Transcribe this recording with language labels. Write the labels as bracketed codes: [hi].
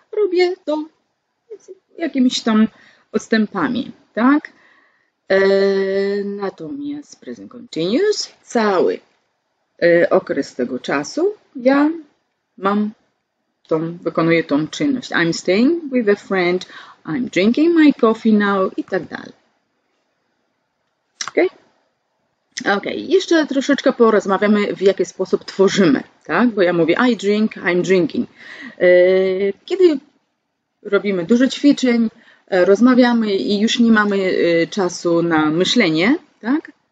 [pl] Robię to jakimiś tam odstępami, tak? Natomiast present continuous, cały okres tego czasu ja mam tą, wykonuję tą czynność. [en] I'm staying with a friend, I'm drinking my coffee now [pl] i tak dalej. Okej? Ok, jeszcze troszeczkę porozmawiamy, w jaki sposób tworzymy, tak? Bo ja mówię [en] I drink, I'm drinking. [pl] Kiedy robimy dużo ćwiczeń, rozmawiamy i już nie mamy czasu na myślenie, tak?